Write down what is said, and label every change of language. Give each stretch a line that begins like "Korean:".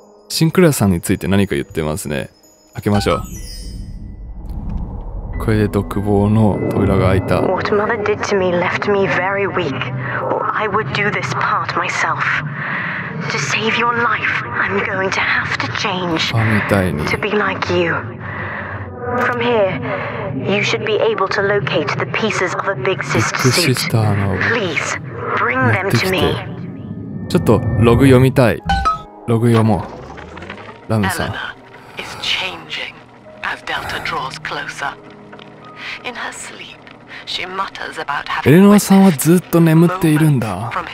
Japanese: シンクレアさんについて何か言ってますね。開けましょう。これで独房の扉が開いた。
English: What mother did to me left me very weak. I would do this part myself. To save your life, I'm going to have to change to be like you. From here, you should be able to locate the pieces of a big sister suit. Please bring them to me.
Japanese: ちょっとログ読みたい。ログ読もう。ラムさん。
English: Eleanor is changing as Delta draws closer. In her sleep, she mutters about having.
Japanese: エレノアさんはずっと眠っているんだ。